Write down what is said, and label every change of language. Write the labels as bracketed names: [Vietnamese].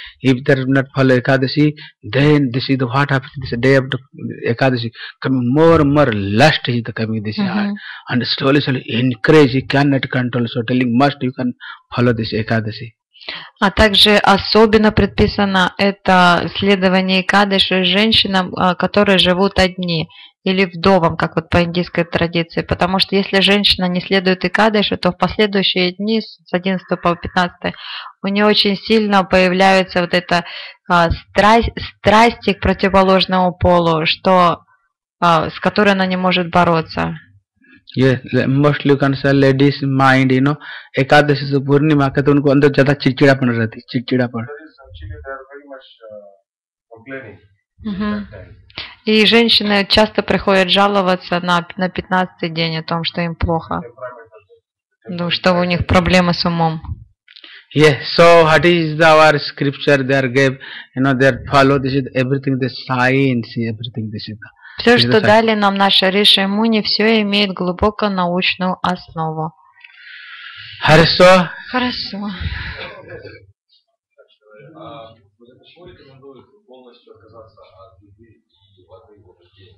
[English] If they are not follow Ekadashi, then this is the what happens this day of Ekadashi coming more lust is the coming this year. And slowly increase, you cannot control, so telling must you can follow this Ekadashi. [Russian] А также особенно предписано это следование Экадаши женщинам, которые живут одни, или вдовам, как вот по индийской традиции. Потому что если женщина не следует Экадаши, то в последующие дни, с 11 по 15, у нее очень сильно появляются вот это страсти к противоположному полу, что, с которой она не может бороться. [English] Yeah, mostly you can say ladies mind, you know, Ekadashi is a Purnima, so they have a lot of chichidapan. They are very much complaining. [Russian] И женщины часто приходят жаловаться на 15 день о том, что им плохо, что у них проблемы с умом. [English] Yes, so what is our scripture they are gave, you know, they are follow this is everything, the science, everything this is. [Russian] Все, что дали нам наши Риши и Муни, все имеет глубоко научную основу. Хорошо. Хорошо. Вы рекомендуете полностью отказаться от еды и воды в этот день?